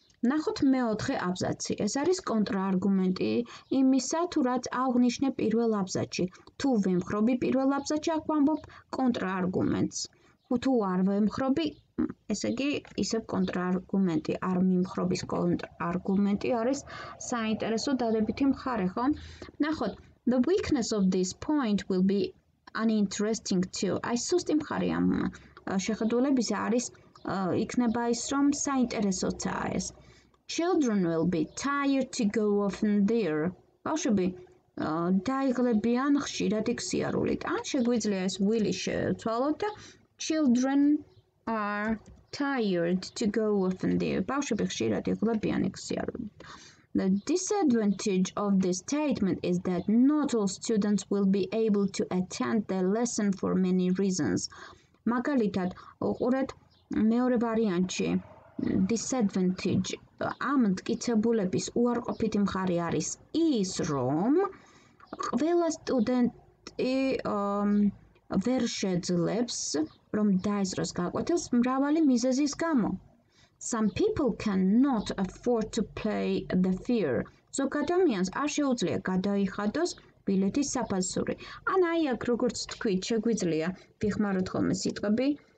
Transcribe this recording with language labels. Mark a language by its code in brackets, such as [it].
[ka] ნახოთ მეოთხე აბზაცი. ეს არის კონტრაარგუმენტი იმისა, თუ რაც აღნიშნე პირველ აბზაცში. თუ ვემხრობი პირველ აბზაცში, აქ ვამბობ კონტრაარგუმენტს. თუ არ ვემხრობი, ესე იგი, ისევ კონტრაარგუმენტი. არ მიმხრობის კონტრაარგუმენტი არის საინტერესო დადებითი მხარე, ხო? ნახოთ. [en] The weakness of this point will be uninteresting too. [ka] აი სუსტი მხარე ამ შეხედულებისა არის იქნება ის, რომ საინტერესოცაა ეს. [en] Children will be tired to go often there. [ka] ბავშვები დაიღლებიან ხშირად იქ სიარულით. ან შეგვიძლია ეს will-ი შევცვალოთ და [en] children are tired to go often there. [ka] ბავშვები ხშირად იღლებიან იქ სიარულით. [en] The disadvantage of this statement is that not all students will be able to attend the lesson for many reasons. [ka] მაგალითად, უყურეთ მეორე ვარიანტში disadvantage ამ მტკიცებულების უარყოფითი მხარე არის ის, რომ ყველა სტუდენტი ვერ შეძლებს რომ დაესწროს გაკვეთილს მრავალი მიზეზის გამო. [en] Some people cannot afford to pay the fear. [ka] ზოგადად ადამიანს არ შეუძლია გადაიხადოს ბილეთის საფასური. ან აი აქ როგორც თქვით, შეგვიძლია ვიხმაროთ ხოლმე სიტყვები